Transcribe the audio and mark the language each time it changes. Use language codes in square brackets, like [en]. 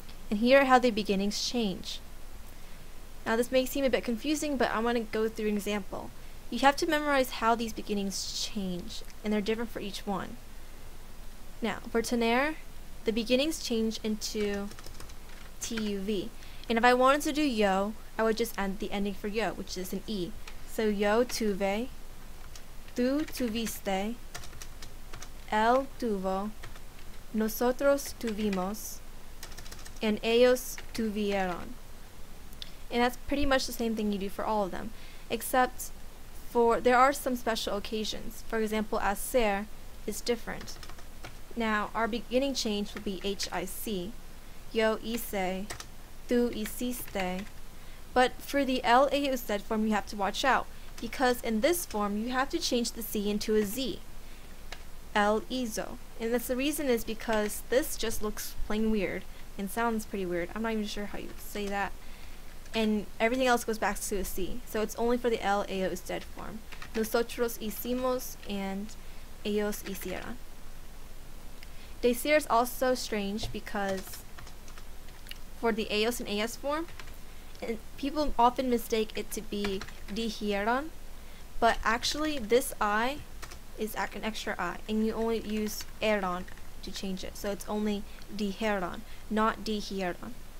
[en] And here are how the beginnings change. Now this may seem a bit confusing, but I want to go through an example. You have to memorize how these beginnings change, and they're different for each one. Now, for tener, the beginnings change into T-U-V. And if I wanted to do yo, I would just end the ending for yo, which is an E. [es] So yo tuve, tú tuviste, él tuvo, nosotros tuvimos, and ellos tuvieron. [en] And that's pretty much the same thing you do for all of them, except for there are some special occasions. For example, hacer is different. Now, our beginning change will be H-I-C. [es] Yo hice, tú hiciste. [en] But for the L-A-U-Z form, you have to watch out, because in this form, you have to change the C into a Z. [es] El hizo. [en] And that's the reason is because this just looks plain weird and sounds pretty weird. I'm not even sure how you say that. And everything else goes back to a C. So it's only for the L-A-U-Z form. [es] Nosotros hicimos and ellos hicieron. [en] Decir is also strange because for the ellos and ellas form, and people often mistake it to be dijeron, but actually this I is an extra I, and you only use eron to change it. So it's only dijeron, not dijeron.